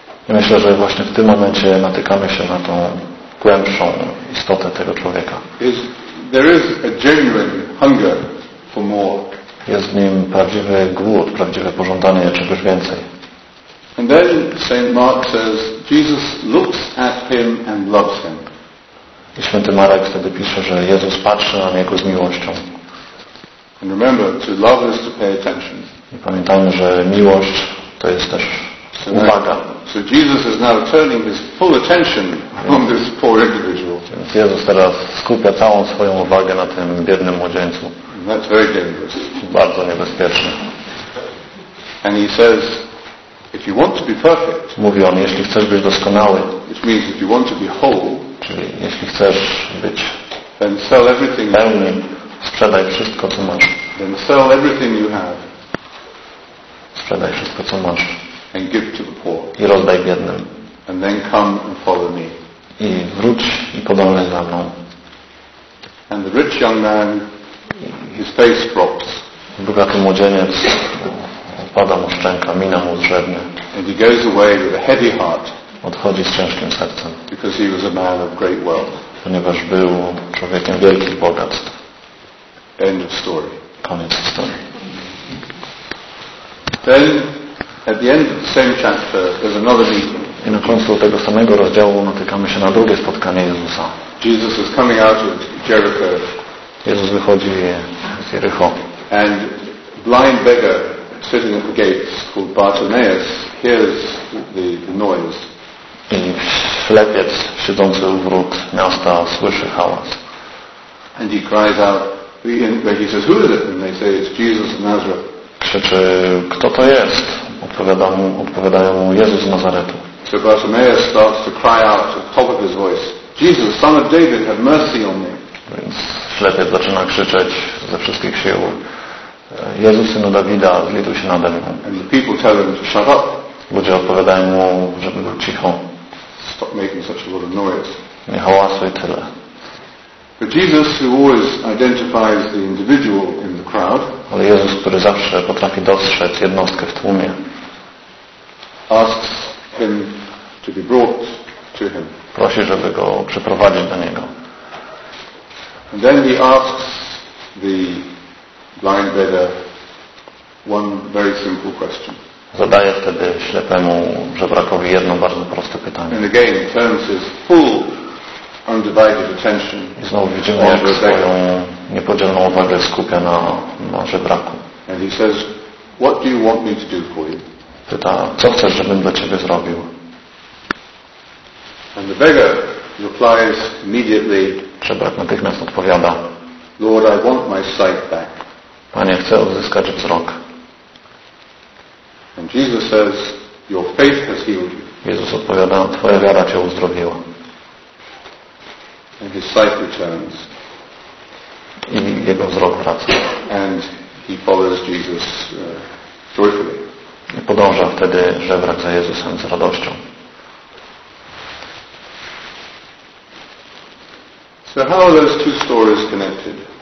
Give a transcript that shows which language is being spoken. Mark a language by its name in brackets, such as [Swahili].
[Polish] I myślę, że właśnie w tym momencie natykamy się na tą głębszą istotę tego człowieka. [English] There is a genuine hunger for more. [Polish] Jest w nim prawdziwy głód, prawdziwe pożądanie czegoś więcej. [English] And then St. Mark says, Jesus looks at him and loves him. [Polish] I Święty Marek wtedy pisze, że Jezus patrzy na niego z miłością. [English] And remember, to love is to pay attention. [Polish] I pamiętajmy, że miłość to jest też uwaga. [English] So Jesus is now turning his full attention on this poor individual. [Polish] Więc Jezus teraz skupia całą swoją uwagę na tym biednym młodzieńcu. [English] And that's very dangerous. [Polish] Bardzo niebezpieczne. [English] And he says, if you want to be perfect, [Polish] mówi on, jeśli chcesz być doskonały, [English] which means if you want to be whole, [Polish] czyli jeśli chcesz być, [English] then sell everything [Polish] pełny, sprzedaj wszystko, co masz. [English] Then sell everything you have. [Polish] Sprzedaj wszystko, co masz. [English] And give to the poor. [Polish] I rozdaj biednym. [English] And then come and follow me. [Polish] I wróć i podążaj za mną. [English] And the rich young man, his face drops. [Polish] Bogaty młodzieniec pada mu szczęka, mina mu drzewnie. [English] And he goes away with a heavy heart. [Polish] Odchodzi z ciężkim sercem. [English] Because he was a man of great wealth. [Polish] Ponieważ był człowiekiem wielkich bogactw. [English] End of story. [Polish] Koniec historii. [English] Then, at the end of the same chapter, there's another meeting. [Polish] I na końcu tego samego rozdziału natykamy się na drugie spotkanie Jezusa. [English] Jesus is coming out of Jericho. [Polish] Jezus wychodzi z Jerycho. [English] And blind beggar sitting at the gates called Bartimaeus hears the noise. [Polish] I ślepiec siedzący u wrót miasta słyszy hałas. [English] And he cries out, he says, "Who is it?" And they say, "It's Jesus of Nazareth." [Polish] krzyczy, kto to jest? Odpowiadają mu Jezus z Nazaretu. [English] So Bartimaeus starts to cry out at the top of his voice, Jesus, son of David, have mercy on me. [Polish] Więc ślepiec zaczyna krzyczeć ze wszystkich sił, Jezus, synu Dawida, zlituj się nade mną. [English] And the people tell him to shut up. [Polish] Ludzie odpowiadają mu, żeby był cicho. [English] Stop making such a lot of noise. [Polish] Nie hałasuj tyle. [English] But Jesus, who always identifies the individual in the crowd, [Polish] ale Jezus, który zawsze potrafi dostrzec jednostkę w tłumie, [English] asks him to be brought to him. [Polish] Prosi, żeby go przeprowadzić do niego. [English] And then he asks the blind beggar one very simple question. [Polish] Zadaje wtedy ślepemu żebrakowi jedno bardzo proste pytanie. [English] And again, turns his full undivided attention. [Polish] I znowu widzimy, jak swoją niepodzielną uwagę skupia na żebraku. [English] And he says, what do you want me to do for you? [Polish] Pyta, co chcesz, żebym dla ciebie zrobił? [English] And the beggar replies immediately, [Polish] żebrak natychmiast odpowiada, [English] Lord, I want my sight back. [Polish] Panie, chcę odzyskać wzrok. [English] And Jesus says, your faith has healed you. [Polish] Jezus odpowiada, twoja wiara cię uzdrowiła. [English] And his sight returns. [Polish] I jego wzrok wraca. [English] And he follows Jesus joyfully. [Polish] I podąża wtedy żebrak za Jezusem z radością. [English] So how are those two stories connected?